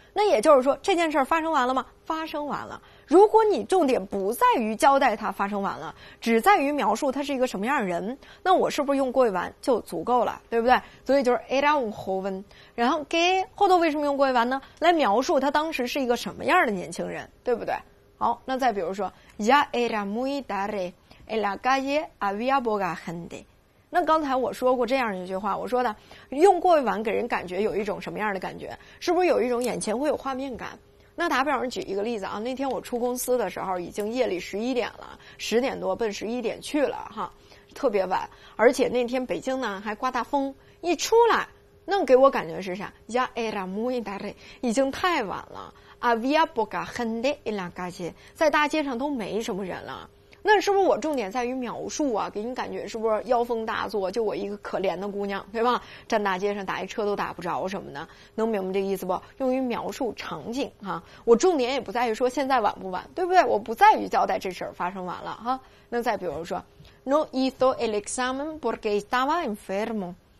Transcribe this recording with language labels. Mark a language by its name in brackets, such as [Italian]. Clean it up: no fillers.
[Chinese] 那也就是说，这件事发生完了吗？发生完了。如果你重点不在于交代他发生完了，只在于描述他是一个什么样的人，那我是不是用过完就足够了？对不对？所以就是 [Spanish] era un joven， [Chinese] 然后 que 后头为什么用过完呢？来描述他当时是一个什么样的年轻人，对不对？好，那再比如说 [Spanish] ya era muy tarde， en la calle había poca gente。 [Chinese] 那刚才我说过这样一句话，我说的用过完给人感觉有一种什么样的感觉？是不是有一种眼前会有画面感？那打比方举一个例子啊，那天我出公司的时候已经夜里11点了，10点多奔11点去了哈，特别晚，而且那天北京呢还刮大风，一出来那给我感觉是啥？ [Spanish] Ya era muy tarde， [Chinese] 已经太晚了， [Spanish] había poca gente en la calle， [Chinese] 在大街上都没什么人了。那是不是我重点在于描述啊？给你感觉是不是妖风大作？就我一个可怜的姑娘，对吧？站大街上打一车都打不着什么的，能明白这个意思不？用于描述场景哈、啊，我重点也不在于说现在晚不晚，对不对？我不在于交代这事儿发生晚了哈、啊。那再比如说 ， [Spanish] No hizo el examen porque estaba enfermo.